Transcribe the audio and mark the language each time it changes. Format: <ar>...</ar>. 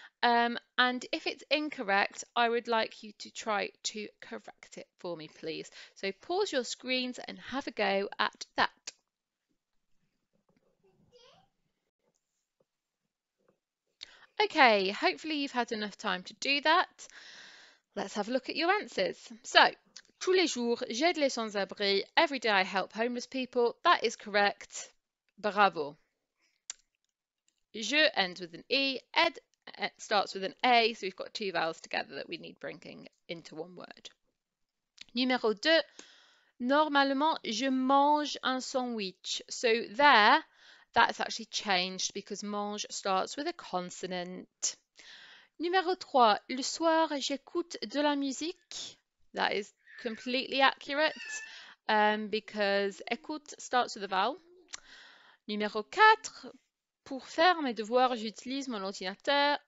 <en>And if it's incorrect, I would like you to try to correct it for me, please. So pause your screens and have a go at that. Okay, hopefully you've had enough time to do that. Let's have a look at your answers.</en> <fr>So, tous les jours, j'aide les sans-abri.</fr> <en>Every day I help homeless people. That is correct. Bravo. Je ends with an E. Ed It starts with an A, so we've got two vowels together that we need bringing into one word.</en> <fr>Numéro 2, normalement, je mange un sandwich.</fr> <en>So there, that's actually changed because mange starts with a consonant.</en> <fr>Numéro 3, le soir, j'écoute de la musique.</fr> <en>That is completely accurate because écoute starts with a vowel.</en> <fr>Numéro 4, pour faire mes devoirs, j'utilise mon ordinateur.</fr>